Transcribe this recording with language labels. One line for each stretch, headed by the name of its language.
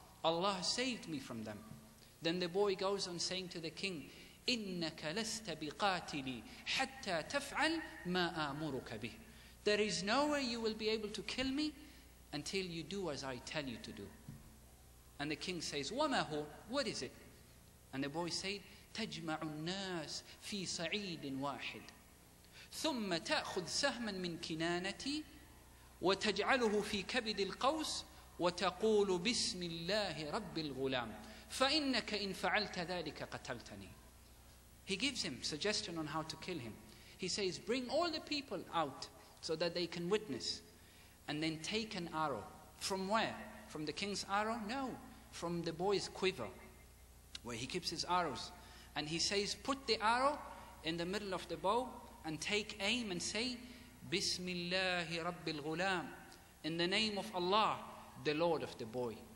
English: Allah saved me from them. Then the boy goes on saying to the king,
Arabic: إِنَّكَ لَسْتَ بِقَاتِلِي حَتَّى تَفْعَلْ مَا آمُرُكَ بِهِ,
English: there is no way you will be able to kill me until you do as I tell you to do. And the king says,
Arabic: وَمَا هُو,
English: what is it? And the boy said,
Arabic: تَجْمَعُ النَّاسِ فِي صَعِيدٍ وَاحِدٍ ثُمَّ تَأْخُذْ سَهْمًا مِنْ كِنَانَتِي وَتَجْعَلُهُ فِي كَبِدِ الْقَوْسِ وَتَقُولُ بِسْمِ اللَّهِ رَبِّ الْغُلَامِ فَإِنَّكَ إِنْ فَعَلْتَ ذَلِكَ قَتَلْتَنِي.
English: He gives him suggestion on how to kill him. He says, bring all the people out so that they can witness. And then take an arrow. From where? From the king's arrow? No. From the boy's quiver, where he keeps his arrows. And he says, put the arrow in the middle of the bow and take aim and say, Bismillahi Rabbil Ghulam, in the name of Allah, the Lord of the boy.